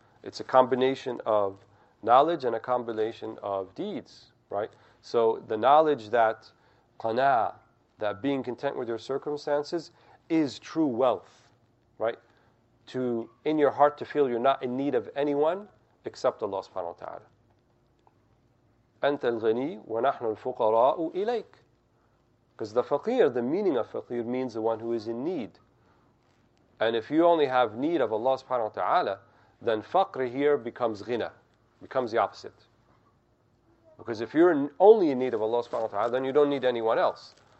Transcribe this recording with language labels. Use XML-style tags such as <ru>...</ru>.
<en>It's a combination of knowledge and a combination of deeds, right? So the knowledge that qana'a, that being content with your circumstances, is true wealth, right? To, in your heart, to feel you're not in need of anyone except Allah subhanahu wa ta'ala.</en> <ar>أنت الغني ونحن الفقراء إليك.</ar> <en>Because the faqir, the meaning of faqir, means the one who is in need. And if you only have need of Allah subhanahu wa ta'ala, then faqr here becomes ghina, becomes the opposite. Because if you're only in need of Allah subhanahu wa ta'ala, then you don't need anyone else.</en>